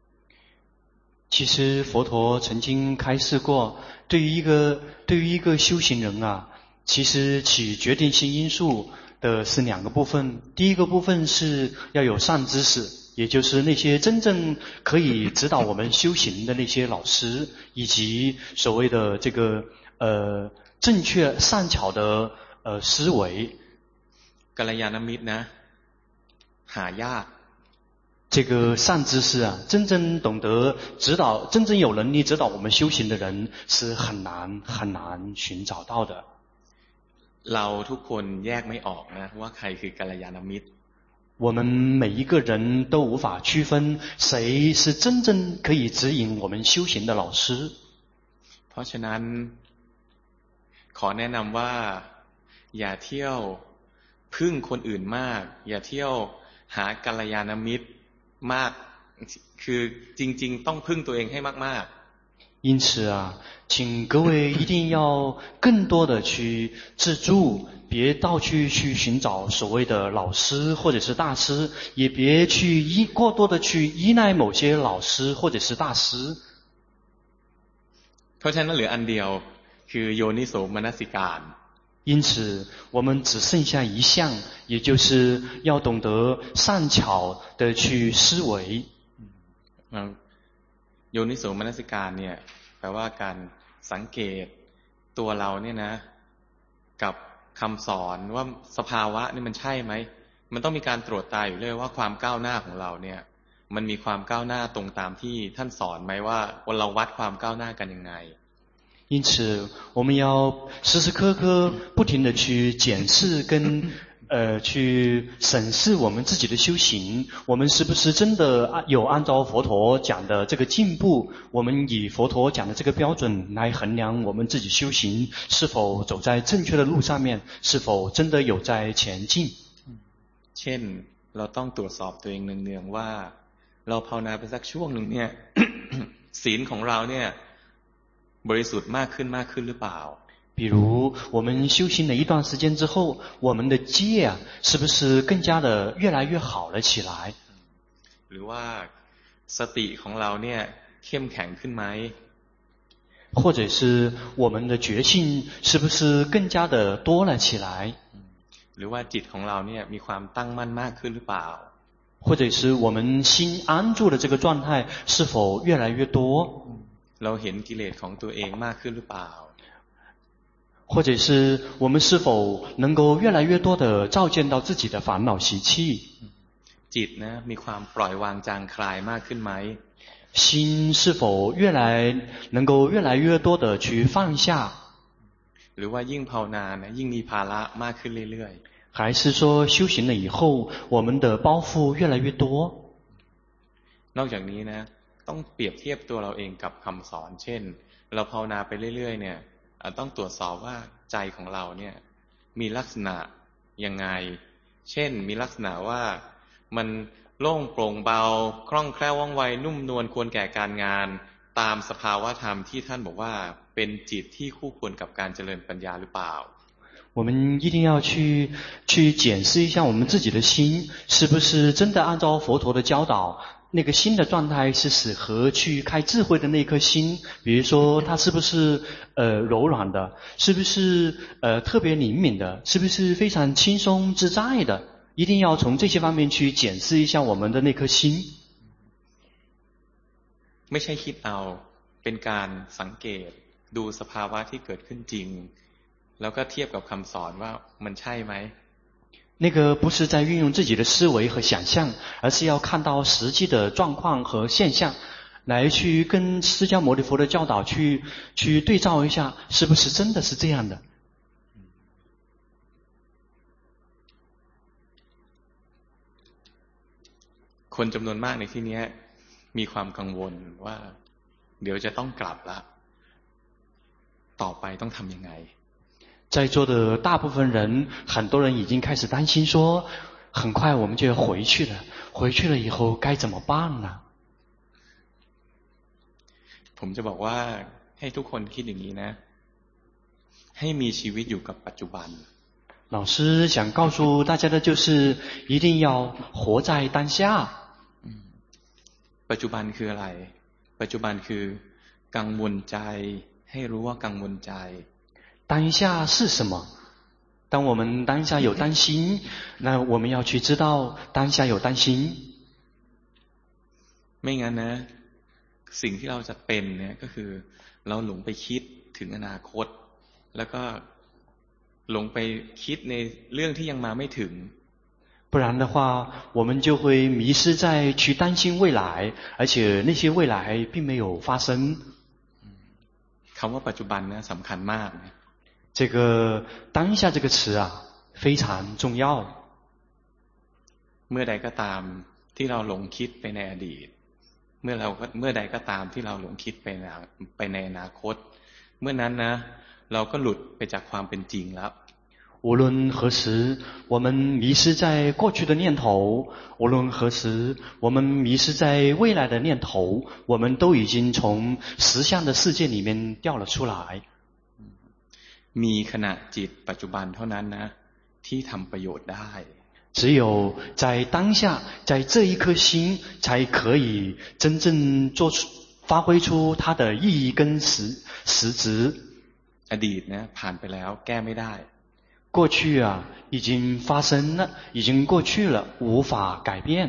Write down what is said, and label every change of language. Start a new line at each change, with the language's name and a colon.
Chinese: 其实佛陀曾经开示过对于一个修行人啊其实起决定性因素的是两个部分第一个部分是要有善知识也就是那些真正可以指导我们修行的那些老师以及所谓的这个正确善巧的思维
Thai: กัลยาณมิตรนะหายาก
Chinese: 这个善知识啊真正懂得指导真正有能力指导我们修行的人是很难很难寻找到的
Thai: เราทุกคนแยกไม่ออกนะว่าใครคือกัลยาณมิตร
Chinese: 我们每一个人都无法区分谁是真正可以指引我们修行的老师
Thai: เพราะฉะนั้นขอแนะนำว่าอย่าเที่ยวพึ่งคนอื่นมากอย่าเที่ยวหากัลยาณมิตรมากคือจริงๆต้องพึ่งตัวเองให้มาก
Chinese: ๆ因此啊请各位一定要更多的去自助别到处去寻找所谓的老师或者是大师也别去过多的去依赖某些老师或者是大师
Thai: เพราะฉะนั้นเหลืออันเดียวคือโยนิโสมนสิการ
Chinese: 因此我们只剩下一项也就是要懂得善巧的去思维
Thai: โยนิโสมนสิการเนี่ยแปลว่าการสังเกตตัวเราเนี่ยนะกับคำสอนว่าสภาวะนี่มันใช่ไหมมันต้องมีการตรวจตาอยู่เลยว่าความก้าวหน้าของเราเนี่ยมันมีความก้าวหน้าตรงตามที่ท่านสอนไหมว่าเราวัดความก้าวหน้ากันยังไง
Chinese: 因此我们要时时刻刻不停地去检视跟去审视我们自己的修行，我们是不是真的有按照佛陀讲的这个进步，我们以佛陀讲的这个标准来衡量我们自己修行是否走在正确的路上面，是否真的有在前进。
Thai: เช่นเราต้องตรวจสอบตัวเองเนืองๆว่าเราภาวนาไปสักช่วงหนึ่งเนี่ยศีลของเราเนี่ยบริสุทธิ์มากขึ้นมากขึ้นหรือเปล่า
Chinese: 比如我们修行了一段时间之后，我们的戒是不是更加的越来越好了起来？
Thai: หรือว่าสติของเราเนี่ยเข้มแข็งขึ้นไหม？
Chinese: 或者是我们的觉性是不是更加的多了起来？
Thai: หรือว่าจิตของเราเนี่ยมีความตั้งมั่นมากขึ้นหรือเปล่า？
Chinese: 或者是我们心安住的这个状态是否越来越多？
Thai: เราเห็นกิเลสของตัวเองมากขึ้นหรือเปล่า？
Chinese: 或者是我们是否能够越来越多的照见到自己的烦恼习气？
Thai: จิตนะมีความปล่อยวางจางคลายมากขึ้นไหม？
Chinese: 心是否越来能够越来越多的去放下？
Thai: หรือว่ายิ่งภาวนานะยิ่งมีภาระมากขึ้นเรื่อย ๆ？
Chinese: 还是说修行了以后我们的包袱越来越多？
Thai: นอกจากนี้นะต้องเปรียบเทียบตัวเราเองกับคำสอนเช่นเราภาวนาไปเรื่อยๆเนี่ยต้องตรวจสอบว่าใจของเราเนี่ยมีลักษณะยังไงเช่นมีลักษณะว่ามันโล่งโปร่งเบาคล่องแคล่วว่องไวนุ่มนวลควรแก่การงานตามสภาวะธรรมที่ท่านบอกว่าเป็นจิตที่คู่ควรกับการเจริญปัญญาหรือเปล่า
Chinese: 我们一定要去检视一下我们自己的心是不是真的按照佛陀的教导那个心的状态是适合去开智慧的那颗心，比如说它是不是柔软的，是不是特别灵敏的，是不是非常轻松自在的？一定要从这些方面去检视一下我们的那颗心。
Thai: ไม่ใช่คิดเอาเป็นการสังเกตดูสภาวะที่เกิดขึ้นจริงแล้วก็เทียบกับคำสอนว่ามันใช่ไหม นั่นก็
Chinese: 不是在运用自己的思维和想象而是要看到实际的状况和现象来去跟释迦牟尼佛的教导去对照一下是不是真的是这样的
Thai: คนจำนวนมากในที่นี้มีความกังวลว่าเดี๋ยวจะต้องกลับละต่อไปต้องทำยังไง
Chinese: 在座的大部分人很多人已经开始担心说很快我们就要回去了回去了以后该怎么办呢
Thai: ผมจะบอกว่าให้ทุกคนคิดอย่างนี้นะให้มีชีวิตอยู่กับปัจจุบัน
Chinese: 老师想告诉大家的就是一定要活在当下
Thai: ปัจจุบันคืออะไรปัจจุบันคือกังวลใจให้รู้ว่ากังวลใจ
Chinese: 当下是什么？当我们当下有担心，那我们要去知道当下有担心。
Thai: ไม่งั้นนะ，สิ่งที่เราจะเป็นเนี่ยก็คือเราหลงไปคิดถึงอนาคตแล้วก็หลงไปคิดในเรื่องที่ยังมาไม่ถึง。
Chinese: 不然的话，我们就会迷失在去担心未来，而且那些未来并没有发生。
Thai: คำว่าปัจจุบันนะสำคัญมาก。
Chinese: 这个当下这个词啊非常重要
Thai: เมื่อใดก็ตามที่เราหลงคิดไปในอดีตเมื่อใดก็ตามที่เราหลงคิดไปในอนาคตเมื่อนั้นนะเราก็หลุดไปจากความเป็นจริงแล้ว
Chinese: 无论何时我们迷失在过去的念头无论何时我们迷失在未来的念头我们都已经从实相的世界里面掉了出来
Thai: มีขณะจิตปัจจุบันเท่านั้นนะที่ทำประโยชน์ได้
Chinese: 只有在当下在这一颗心才可以真正做出发挥出它的意义跟实质
Thai: อดีตนะผ่านไปแล้วแก้ไม่ได้
Chinese: 过去啊已经发生了已经过去了无法改变